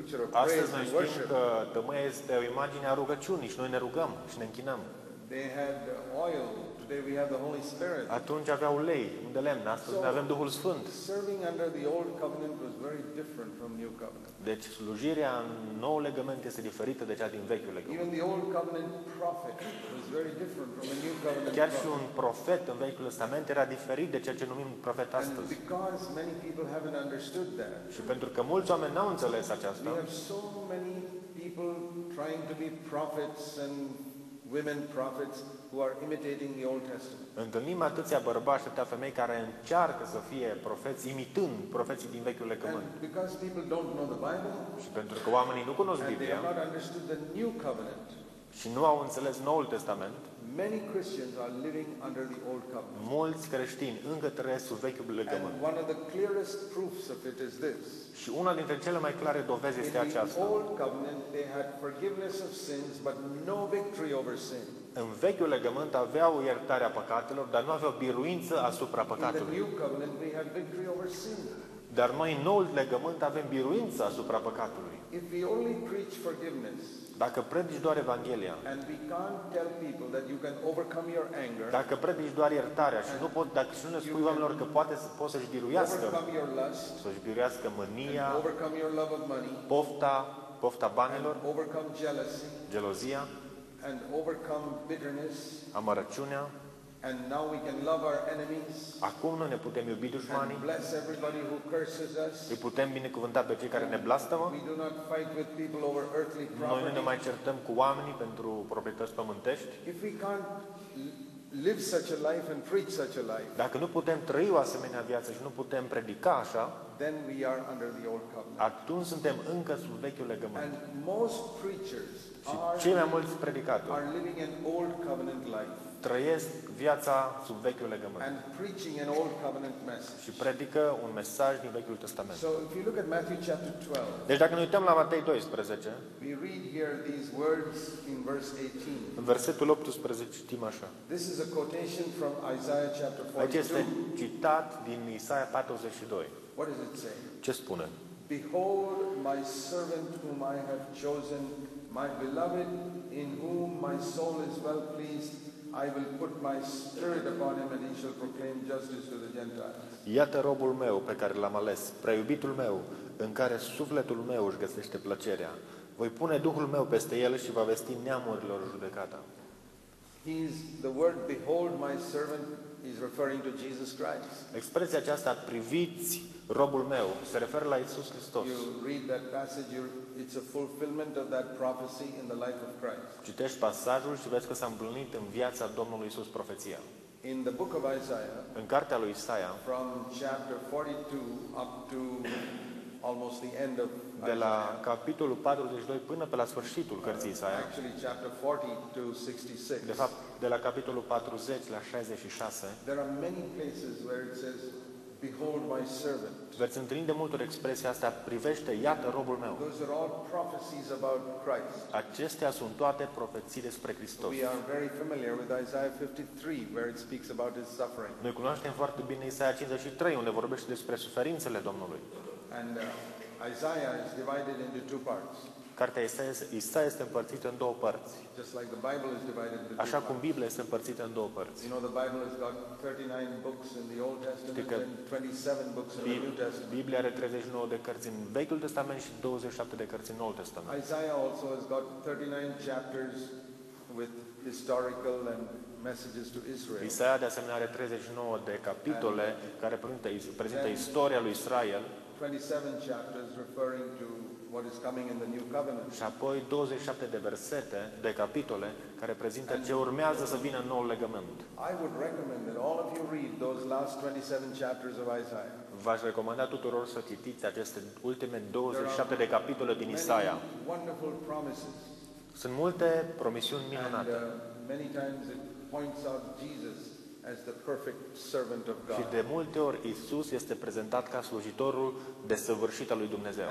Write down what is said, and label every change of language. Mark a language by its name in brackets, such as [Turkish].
[Romanian] Astăzi noi știm că tămâia este o imagine a rugăciunii și noi ne rugăm și ne închinăm. [English] Today we have the Holy Spirit. [Romanian] Atunci aveau ulei, un de lemn, astăzi so, ne avem Duhul Sfânt. [English] Serving under the old covenant was very different from new covenant. [Romanian] Deci slujirea în nou legământ este diferită de cea din vechiul legământ. [English] Even the old covenant prophet was very different from the new covenant. [Romanian] Chiar și un profet în Vechiul Testament era diferit de ceea ce numim profet astăzi. [English] And because many people haven't understood that. [Romanian] Și pentru că mulți oameni n-au înțeles aceasta. [English] We have so many people trying to be prophets and women prophets who are imitating the Old Testament. [Romanian] Întâlnim atâția bărbați și atâtea femei care încearcă să fie profeți imitând profeții din Vechiul Legământ. [English] And because people don't know the Bible, [Romanian] și pentru că oamenii nu cunosc Biblia, [English] they have not understood the New Covenant, [Romanian] și nu au înțeles Noul Testament, [English] many Christians are living under the Old Covenant. [Romanian] Mulți creștini încă trăiesc sub Vechiul Legământ. [English] And one of the clearest proofs of it is this. [Romanian] Și una dintre cele mai clare dovezi este aceasta. [English] In the Old Covenant, they had forgiveness of sins, but no victory over sin. [Romanian] În Vechiul Legământ aveau iertarea păcatelor, dar nu aveau biruință asupra păcatului. [English] In the New Covenant, they had victory over sin. [Romanian] Dar noi, în Noul Legământ, avem biruință asupra păcatului. [English] If we only preach forgiveness, [Romanian] dacă predici doar Evanghelia, [English] and we can't tell people that you can overcome your anger, [Romanian] dacă predici doar iertarea și nu pot, dacă și nu ne spui oamenilor că poate să poți să-și biruiască, să-și biruiască mânia, [English] overcome your love of money, [Romanian] pofta banilor, [English] and overcome jealousy, [Romanian] gelozia, [English] and overcome bitterness, [Romanian] amărăciunea, [English] and now we can love our enemies, [Romanian] acum noi ne putem iubi dușmanii, [English] and bless everybody who curses us, [Romanian] îi putem binecuvânta pe cei care ne blastămă. [English] We do not fight with people over earthly property. [Romanian] Noi nu ne mai certăm cu oamenii pentru proprietăți pământești. [English] If we can't live such a life and preach such a life, [Romanian] dacă nu putem trăi o asemenea viață și nu putem predica așa, [English] then we are under the old covenant. [Romanian] Atunci suntem încă sub Vechiul Legământ. [English] And most preachers, [Romanian] și cei mai mulți predicatori, [English] are living an old covenant life, [Romanian] trăiesc viața sub Vechiul Legământ. [English] And preaching an old covenant message. [Romanian] Și predică un mesaj din Vechiul Testament. [English] So if you look at Matthew chapter 12, [Romanian] deci dacă ne uităm la Matei 12, [English] we read here these words in verse 18. [Romanian] În versetul 18 citim așa. [English] This is a quotation from Isaiah chapter 42. [Romanian] Aici este citat din Isaia 42. [English] What does it say? [Romanian] Ce spune? [English] Behold my servant whom I have chosen, my beloved in whom my soul is well pleased. I will put my spirit upon him and he shall proclaim justice to the Gentiles. [Romanian] Iată robul meu pe care l-am ales, preiubitul meu, în care sufletul meu își găsește plăcerea. Voi pune Duhul meu peste el și va vesti neamurilor judecata. [English] The word behold my servant is referring to Jesus Christ. [Romanian] Expresia aceasta, priviți robul meu, se referă la Iisus Hristos. [English] You read that passage, it's a fulfillment of that prophecy in the life of Christ. [Romanian] Citești pasajul și vezi că s-a împlinit în viața Domnului Iisus profeția. [English] In the book of Isaiah, [Romanian] în cartea lui Isaia, [English] from chapter 42 up to almost the end of Isaiah, [Romanian] de la capitolul 42 până pe la sfârșitul cărții Isaia, [English] actually chapter 40 to 66, [Romanian] de fapt, de la capitolul 40 la 66, [English] there are many places where it says, behold my servant. [Romanian] Veți întâlni de multe ori expresia asta, privește, iată robul meu. [English] Those are all prophecies about Christ. [Romanian] Acestea sunt toate profeții despre Hristos. [English] We are very familiar with Isaiah 53 where it speaks about his suffering. [Romanian] Noi cunoaștem foarte bine Isaia 53 unde vorbește despre suferințele Domnului. [English] And Isaiah is divided into two parts. [Romanian] Cartea Isaia este împărțită în două părți. [English] Just like the Bible is divided into, [Romanian] așa cum Biblia este împărțită în două părți. [English] You know the Bible has got 39 books in the Old Testament and 27 books in the New Testament. [Romanian] Biblia are 39 de cărți în Vechiul Testament și 27 de cărți în Noul Testament. [English] Isaiah also has got 39 chapters with historical and messages to Israel. [Romanian] Isaia de asemenea are 39 de capitole care prezintă istoria lui Israel. [English] 27 chapters referring to what is coming in the new covenant. [Romanian] Și apoi 27 de versete, de capitole, care prezintă ce urmează să vină în Noul Legământ. [English] I would recommend that all of you read those last 27 chapters of Isaiah. [Romanian] V-aș recomanda tuturor să citiți aceste ultime 27 de capitole din Isaia. [English] Wonderful promises. [Romanian] Sunt multe promisiuni minunate. [English] And many times it points out Jesus as the perfect servant of God. [Romanian] Și de multe ori Isus este prezentat ca slujitorul desăvârșit al lui Dumnezeu.